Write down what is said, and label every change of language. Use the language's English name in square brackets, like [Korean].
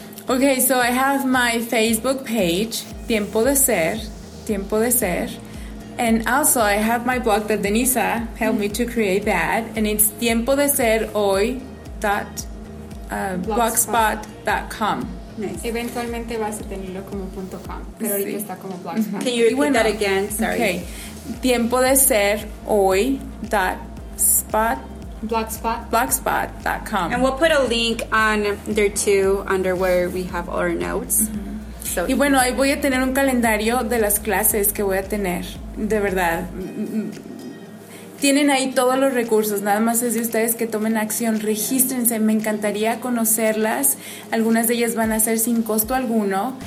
[English] Okay, so I have my Facebook page, Tiempo de Ser, and also I have my blog that Denisa helped me to create that, and it's tiempodeserhoy.blogspot.com. Nice. [Spanish] Eventualmente vas a tenerlo como .com, pero ahorita está como blogspot. [English] Can you repeat that again? Sorry. Okay, tiempodeserhoy.spot. Blogspot.com. And we'll put a link on there too, under where we have our notes. [Spanish] Mm-hmm. So, y bueno, ahí voy a tener un calendario de las clases que voy a tener. De verdad. Tienen ahí todos los recursos. Nada más es de ustedes que tomen acción. Regístrense. Me encantaría conocerlas. Algunas de ellas van a ser sin costo alguno.